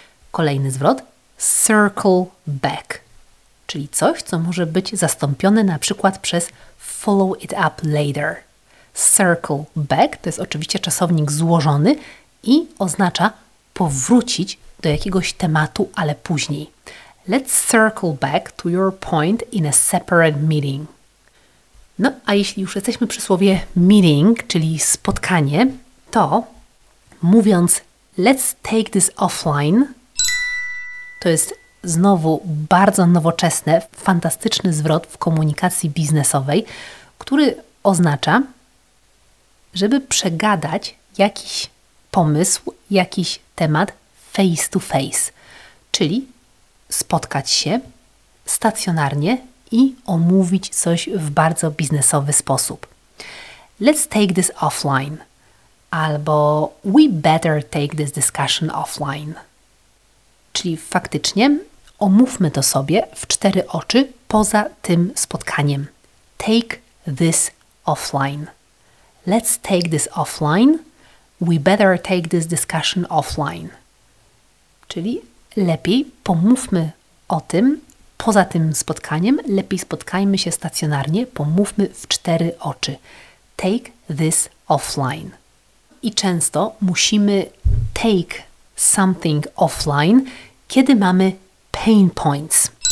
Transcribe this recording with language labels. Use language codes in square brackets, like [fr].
[pl] Kolejny zwrot, circle back, czyli coś, co może być zastąpione na przykład przez [en] follow it up later. [pl] Circle back to jest oczywiście czasownik złożony i oznacza powrócić do jakiegoś tematu, ale później. [en] Let's circle back to your point in a separate meeting. [pl] No, a jeśli już jesteśmy przy słowie meeting, czyli spotkanie, to mówiąc [en] let's take this offline, [pl] to jest znowu bardzo nowoczesny, fantastyczny zwrot w komunikacji biznesowej, który oznacza, żeby przegadać jakiś pomysł, jakiś temat face to face, czyli spotkać się stacjonarnie i omówić coś w bardzo biznesowy sposób. [en] Let's take this offline, albo we better take this discussion offline. [pl] Czyli faktycznie omówmy to sobie w cztery oczy poza tym spotkaniem. [en] Take this offline. Let's take this offline. We better take this discussion offline. [pl] Czyli lepiej pomówmy o tym poza tym spotkaniem. Lepiej spotkajmy się stacjonarnie. Pomówmy w cztery oczy. [en] Take this offline. [pl] I często musimy [en] take something offline, [pl] kiedy mamy pain points.